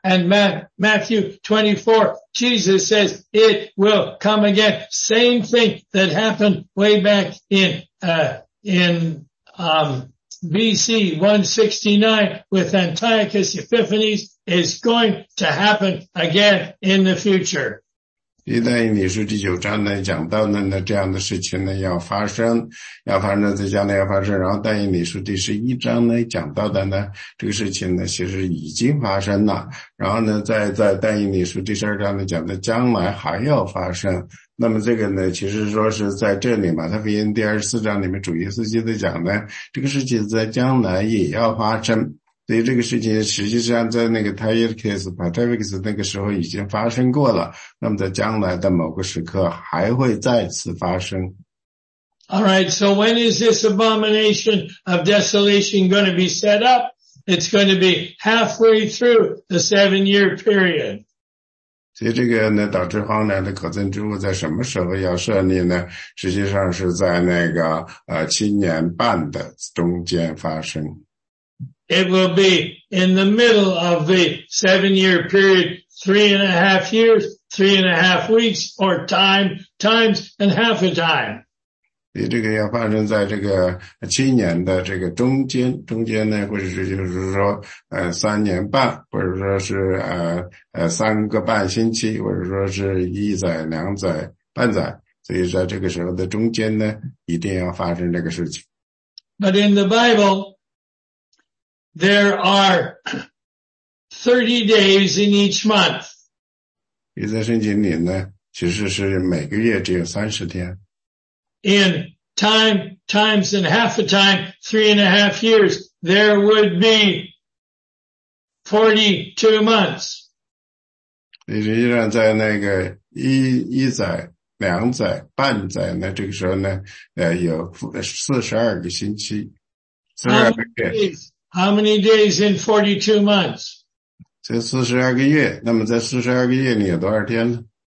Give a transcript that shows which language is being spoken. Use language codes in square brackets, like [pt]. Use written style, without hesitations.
[en] And Matthew 24, Jesus says it will come again. Same thing that happened way back in BC 169 with Antiochus Epiphanes is going to happen again in the future. [zh] 一旦以理书第九章呢讲到呢，那这样的事情呢要发生在将来要发生。然后但以理书第十一章呢讲到的呢，这个事情呢其实已经发生了。然后呢在但以理书第十二章呢讲的将来还要发生。那么这个呢其实说是在这里马太福音第二十四章里面主耶稣基督讲的这个事情在将来也要发生。所以这个事情实际上在那个 Tiasus Pontificus 那个时候已经发生过了，那么在将来的某个时刻还会再次发生。 [en] All right, so when is this abomination of desolation going to be set up? It's going to be halfway through the seven-year period. [zh] 所以这个呢，导致荒凉的可憎之物在什么时候要设立呢？实际上是在那个七年半的中间发生。 [en] It will be in the middle of the seven-year period, 3.5 years, 3.5 weeks, or times and half a time. [zh] 你这个要发生在这个七年的这个中间呢，或者是就是说三年半，或者说是三个半星期，或者说是一载、两载、半载，所以在这个时候的中间呢，一定要发生这个事情。 [en] But in the Bible. There are 30 days in each month. [zh] 你在圣经里呢，其实是每个月只有30天。 [en] In times and half a time, 3.5 years, there would be 42 months. [zh] 你实际上在那个一载、两载、半载呢，这个时候呢，有42个星期，42个月。 [en] How many days in 42 months? [zh] 这42个月，那么在42个月里有多少天呢？